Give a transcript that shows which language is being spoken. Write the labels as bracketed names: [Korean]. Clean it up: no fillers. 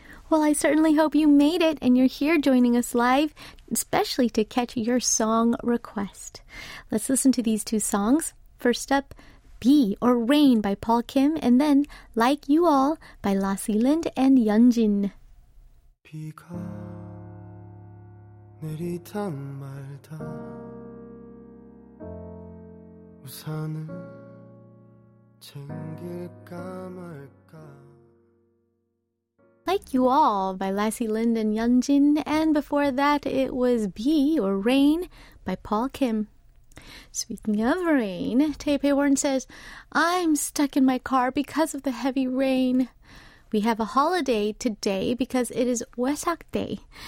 [English] Well, I certainly hope you made it and you're here joining us live, especially to catch your song request. Let's listen to these two songs. First up, Be or Rain by Paul Kim, and then Like You All by Lassie Lind and Yunjin. [Korean] 비가 내리던 말다 우산을 챙길까 말까. [English] Like You All by Lassie Lind and Yunjin, and before that it was Be or Rain by Paul Kim. Speaking of rain, Taipei Warren says, I'm stuck in my car because of the heavy rain. We have a holiday today because it is Wesak Day.